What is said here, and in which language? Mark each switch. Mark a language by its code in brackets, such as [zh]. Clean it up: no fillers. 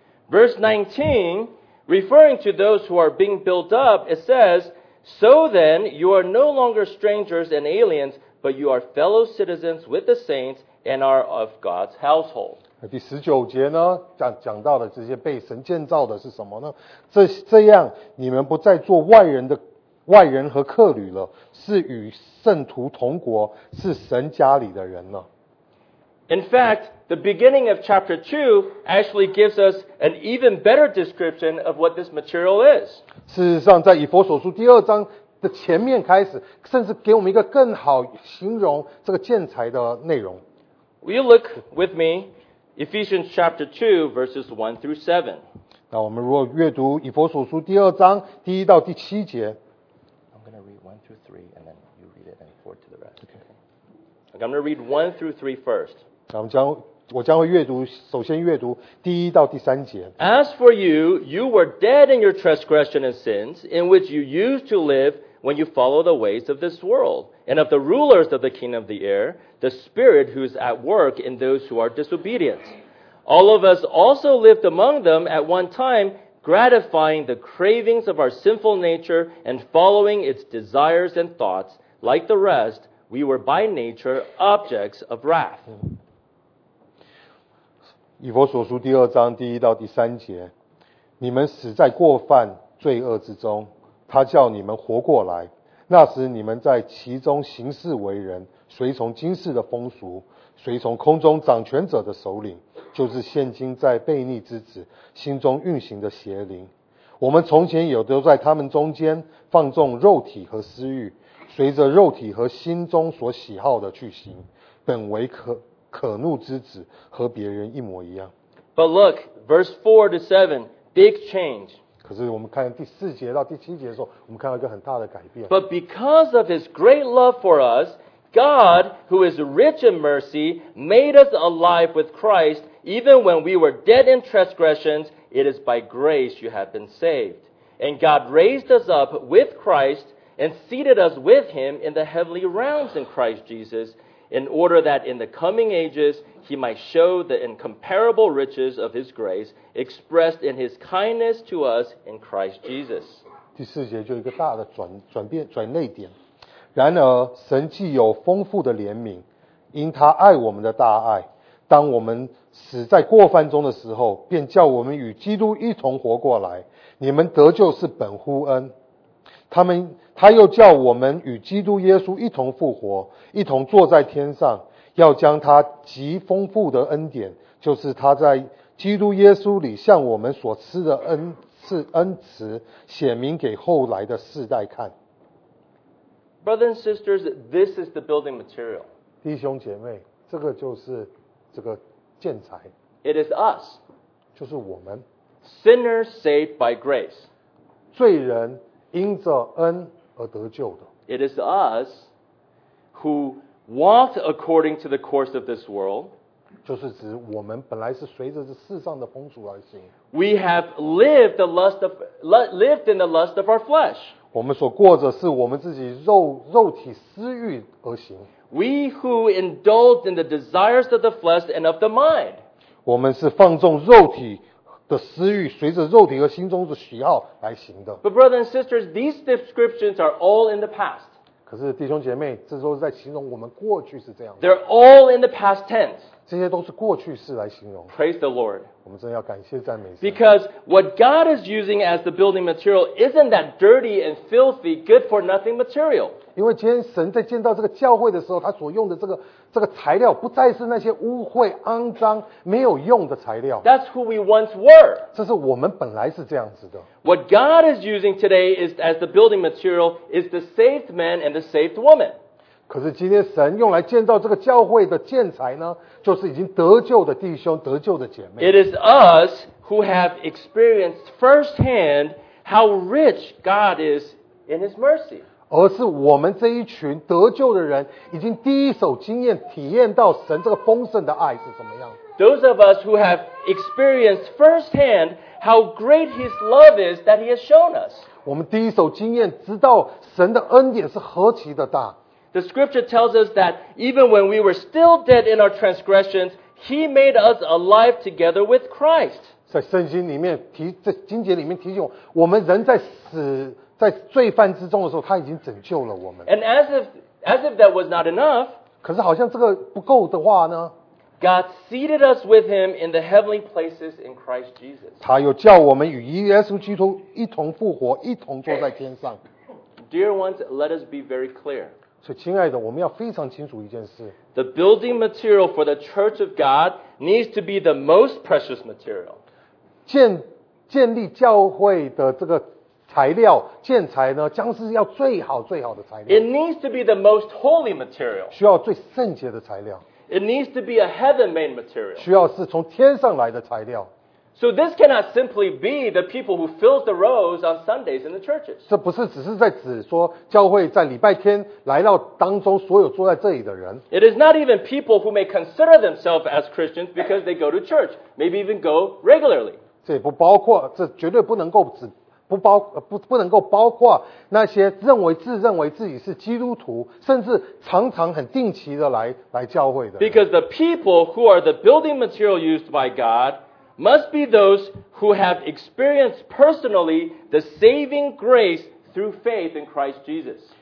[en] Verse 19, referring to those who are being built up, it says, So then, you are no longer strangers and aliens, but you are fellow citizens with the saints and are of God's household. [zh] 第十九节呢 讲到的这些被神建造的是什么呢 这样你们不再做外人和客旅了是与圣徒同国是神家里的人了。 [en] In fact, the beginning of chapter 2 actually gives us an even better description of what this material is. [zh] 事实上在以弗所书第二章的前面开始甚至给我们一个更好形容这个建材的内容。 [en] Will you look with me, Ephesians chapter 2, verses 1 through 7. [zh] 那我们如果阅读以弗所书第二章第一到第七节。 [en] I'm going to read 1 through 3 first. [zh] 我将会阅读第一到第三节。 [en] As for you, you were dead in your transgression and sins, in which you used to live when you followed the ways of this world, and of the rulers of the kingdom of the air, the spirit who is at work in those who are disobedient. All of us also lived among them at one time, gratifying the cravings of our sinful nature and following its desires and thoughts, like the rest, We were by nature objects of wrath. [zh] 以弗所书第二章第一到第三节，你们死在过犯罪恶之中，他叫你们活过来。那时你们在其中行事为人，随从今世的风俗，随从空中掌权者的首领，就是现今在悖逆之子心中运行的邪灵。我们从前有都在他们中间放纵肉体和私欲。随着肉体和心中所喜好的去行，本为可怒之子，和别人一模一样。 [en] But look, verse 4 to 7, big change. [zh] 可是我们看第四节到第七节的时候，我们看到一个很大的改变。 [en] But because of his great love for us, God, who is rich in mercy, made us alive with Christ, even when we were dead in transgressions, it is by grace you have been saved. And God raised us up with Christ,And seated us with him in the heavenly realms in Christ Jesus, in order that in the coming ages he might show the incomparable riches of his grace expressed in his kindness to us in Christ Jesus. [zh] 第四节就一个大的转内点。然而，神既有丰富的怜悯，因他爱我们的大爱，当我们死在过犯中的时候，便叫我们与基督一同活过来。你们得救是本乎恩。他又叫我们与基督耶稣一同复活，一同坐在天上，要将他极丰富的恩典，就是他在基督耶稣里向我们所赐的恩慈，写明给后来的世代看。 [en] Brothers and sisters, this is the building material. [zh] 弟兄姐妹，这个就是这个建材。 [en] It is us. [zh] 就是我们。 [en] Sinners saved by grace. [zh] 罪人。因着恩而得救的。 [en] It is us who walked according to the course of this world. [zh] 就是指我们本来是随着这世上的风俗而行。 [en] We have lived in the lust of our flesh. [zh] 我们所过着是我们自己肉体私欲而行。 [en] We who indulged in the desires of the flesh and of the mind. [zh] 我们是放纵肉体。的私欲随着肉体和心中的喜好来行的。 [en] But brothers and sisters, these descriptions are all in the past. [zh] 可是弟兄姐妹，这都是在形容我们过去是这样的。 [en] They're all in the past tense. [zh] 这些都是过去式来形容。 [en] Praise the Lord. [zh] 我们真的要感谢赞美神。 [en] Because what God is using as the building material isn't that dirty and filthy, good for nothing material. [zh] 因为今天神在建造这个教会的时候，他所用的这个材料不再是那些污秽、肮脏、没有用的材料。 [en] That's who we once were. [zh] 这是我们本来是这样子的。 [en] What God is using today is as the building material is the saved man and the saved woman. [zh] 可是今天神用来建造这个教会的建材呢，就是已经得救的弟兄、得救的姐妹。 [en] It is us who have experienced firsthand how rich God is in His mercy. [zh] 而是我们这一群得救的人，已经第一手经验体验到神这个丰盛的爱是怎么样。 [en] Those of us who have experienced firsthand how great His love is that He has shown us. [zh] 我们第一手经验知道神的恩典是何其的大。 [en] The scripture tells us that even when we were still dead in our transgressions, He made us alive together with Christ. [zh] 在圣经里面提，在经节里面提醒我们人在死，在罪犯之中的时候，他已经拯救了我们。 [en] And as if that was not enough, [zh] 可是好像这个不够的话呢？ [en] God seated us with Him in the heavenly places in Christ Jesus. [zh] 他又叫我们与耶稣基督一同复活，一同坐在天上。 [en] Dear ones, let us be very clear. [zh] 所以，亲爱的，我们要非常清楚一件事。 [en] The building material for the church of God needs to be the most precious material. [zh] 建立教会的这个材料建材呢，将是要最好最好的材料。 [en] It needs to be the most holy material. [zh] 需要最圣洁的材料。 [en] It needs to be a heaven-made material. [zh] 需要是从天上来的材料。 [en] So this cannot simply be the people who fill the rows on Sundays in the churches. [zh] 这不是只是在指说教会在礼拜天来到当中所有坐在这里的人。 [en] It is not even people who may consider themselves as Christians because they go to church, maybe even go regularly. [zh] 这不包括，这绝对不能够指。不能够包括那些自认为自己是基督徒，甚至常常很定期的来教会的。 [en] Because the people who are the building material used by God must be those who have experienced personally the saving grace through faith in Christ Jesus.